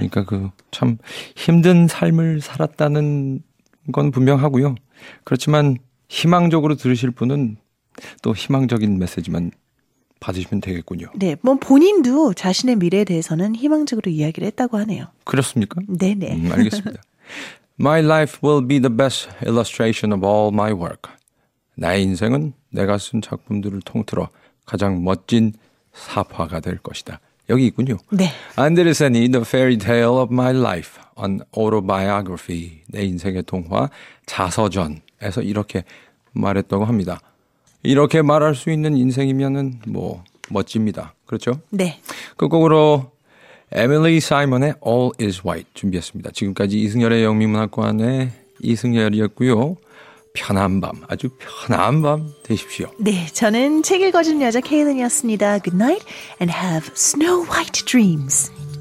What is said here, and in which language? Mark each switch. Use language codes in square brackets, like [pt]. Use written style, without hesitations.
[ko] 그러니까 그 참 힘든 삶을 살았다는 건 분명하고요. 그렇지만 희망적으로 들으실 분은 또 희망적인 메시지만 받으시면 되겠군요. 네. 뭐 본인도 자신의 미래에 대해서는 희망적으로 이야기를 했다고 하네요. 그렇습니까? 네네. 알겠습니다. [en] My life will be the best illustration of all my work. [ko] 나의 인생은 내가 쓴 작품들을 통틀어 가장 멋진 사화가 될 것이다. 여기 있군요. 네. 안데르센이 The Fairy Tale of My Life, An Autobiography, 내 인생의 동화, 자서전에서 이렇게 말했다고 합니다. 이렇게 말할 수 있는 인생이면은 뭐 멋집니다. 그렇죠? 네. 끝곡으로 에밀리 사이먼의 All is White 준비했습니다. 지금까지 이승열의 영미문학관의 이승열이었고요. 편한 밤, 아주 편한 밤 되십시오. 네, 저는 책 읽어주는 여자 케이든이었습니다. [en] Good night and have snow white dreams.